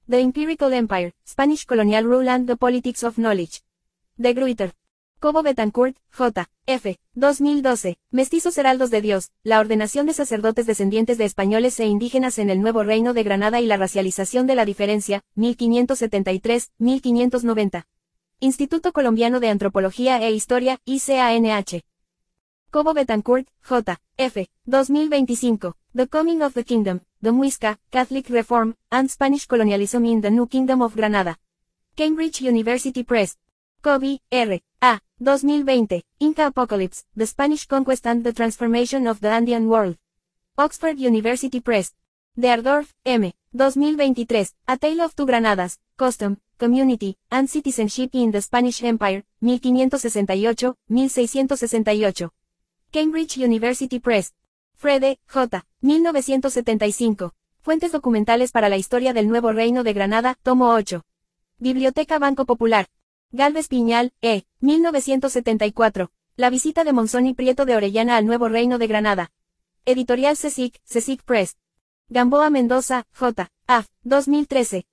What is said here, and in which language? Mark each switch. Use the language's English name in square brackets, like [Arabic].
[English] The Empirical Empire, Spanish Colonial Rule and the Politics of Knowledge. De Gruyter. Cobo Betancourt, J. F. 2012. [Spanish] Mestizos Heraldos de Dios, la ordenación de sacerdotes descendientes de españoles e indígenas en el Nuevo Reino de Granada y la racialización de la diferencia, 1573-1590. Instituto Colombiano de Antropología e Historia, ICANH. Cobo Betancourt, J. F. 2025. [English] The Coming of the Kingdom, the Muisca, Catholic Reform, and Spanish Colonialism in the New Kingdom of Granada. Cambridge University Press. Covey, R. A. 2020. Inca Apocalypse, The Spanish Conquest and the Transformation of the Andean World. Oxford University Press. De Ardorf, M. 2023. A Tale of Two Granadas, Custom, Community, and Citizenship in the Spanish Empire, 1568-1668. Cambridge University Press. Frede, J. 1975. [Spanish] Fuentes documentales para la historia del nuevo reino de Granada, tomo 8. Biblioteca Banco Popular. Gálvez Piñal, E. 1974. La visita de Monzón y Prieto de Orellana al nuevo reino de Granada. Editorial CSIC, CSIC Press. Gamboa Mendoza, J. A. 2013.